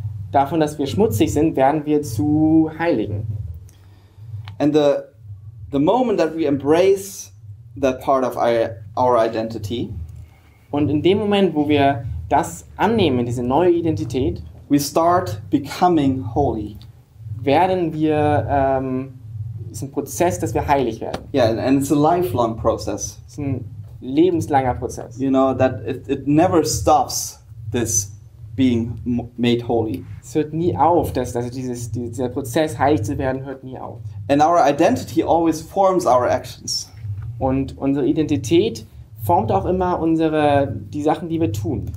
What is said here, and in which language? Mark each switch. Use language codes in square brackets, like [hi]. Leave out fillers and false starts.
[de] Davon, dass wir schmutzig sind, werden wir zu Heiligen. [en] And the moment that we embrace that part of our identity. [de] Und in dem Moment, wo wir das annehmen, diese neue Identität, [en] we start becoming holy. [de] Werden wir, ist ein Prozess, dass wir heilig werden. [en] Yeah, and it's a lifelong process. [de] Ist ein lebenslanger Prozess. [en] You know that it never stops this being made holy. [de] Es hört nie auf, dass also dieser Prozess, heilig zu werden, hört nie auf. [en] And our identity always forms our actions. [de] Und unsere Identität formt auch immer unsere die Sachen, die wir tun.